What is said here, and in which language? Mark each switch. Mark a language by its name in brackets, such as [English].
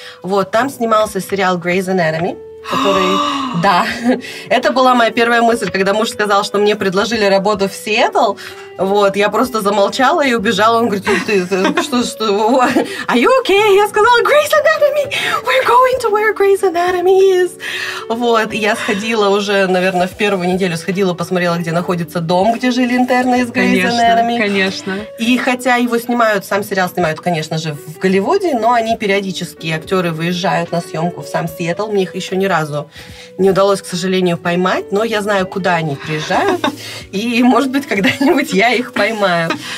[Russian] Вот, там снимался сериал «Grey's Anatomy», который... Да. Это была моя первая мысль, когда муж сказал, что мне предложили работу в Сиэтл. Вот. Я просто замолчала и убежала. Он говорит, что? [English] Are you okay? [Russian] Я сказала, Grey's Anatomy! [English] We're going to where Grey's Anatomy is! [Russian] Вот. И я сходила уже, наверное, в первую неделю посмотрела, где находится дом, где жили интерны из Grey's Anatomy. Конечно. И хотя его снимают, сам сериал снимают, конечно же, в Голливуде, но они периодически, актеры, выезжают на съемку в сам Сиэтл. Мне их еще ни разу не удалось, к сожалению, поймать, но я знаю, куда они приезжают, и, может быть, когда-нибудь я их поймаю.